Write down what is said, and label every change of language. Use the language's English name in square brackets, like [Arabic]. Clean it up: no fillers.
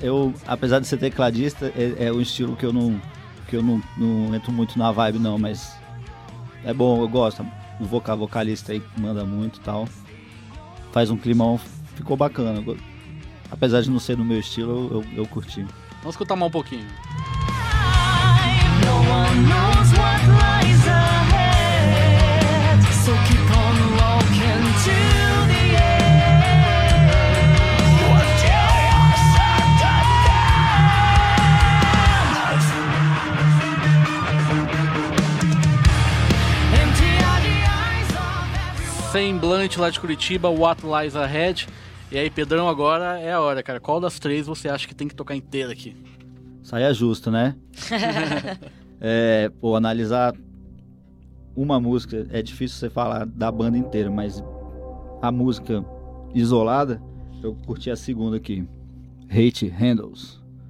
[Portuguese] Eu, apesar de ser tecladista, é um estilo que eu não entro muito na vibe, não, mas é bom, eu gosto. O vocalista aí manda muito e tal. Faz um climão, ficou bacana. Apesar de não ser no meu estilo, eu curti. Vamos escutar mais um pouquinho. [English] No one knows what lies ahead, so keep on walking to the end. What you should understand. Empty are the eyes of everyone. [Portuguese] Semblante lá de Curitiba, What Lies Ahead. E aí, Pedrão, agora é a hora, cara. Qual das três você acha que tem que tocar inteira aqui? Saia justo, né? analisar uma música, é difícil você falar da banda inteira, mas a música isolada, eu curti a segunda aqui, Hate Handles.